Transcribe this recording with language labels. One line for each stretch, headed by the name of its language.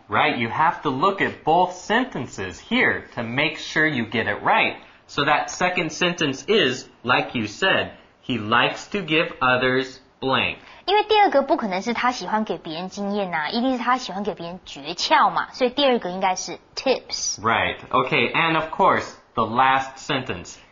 English: Right, you have to look at both sentences here to make sure you get it right. So that second sentence is, like you said, he likes to give others blank.
Chinese: 因为第二个不可能是他喜欢给别人经验啊，一定是他喜欢给别人诀窍嘛，所以第二个应该是 tips.
English: Right, okay, and of course, the last sentence.